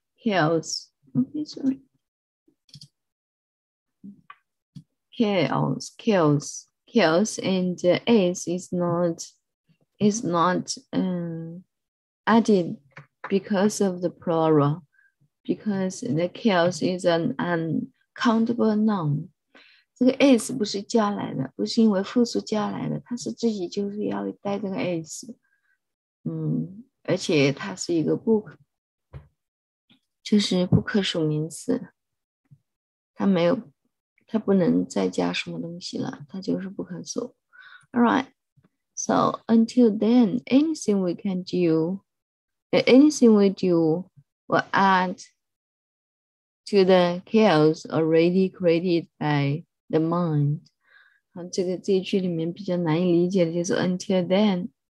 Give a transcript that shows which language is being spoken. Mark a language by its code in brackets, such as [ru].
[en] Chaos, and S is not added because of the plural, because the chaos is an uncountable noun. [zh] 这个 S 不是加来的，不是因为复数加来的，它是自己就是要带这个 S。而且它是一个不可数名词，它不能再加什么东西了，它就是不可数。 [en] All right, so until then, anything we do will add to the chaos already created by the mind. [zh] 好，这一句里面比较难以理解的就是 [en] until then.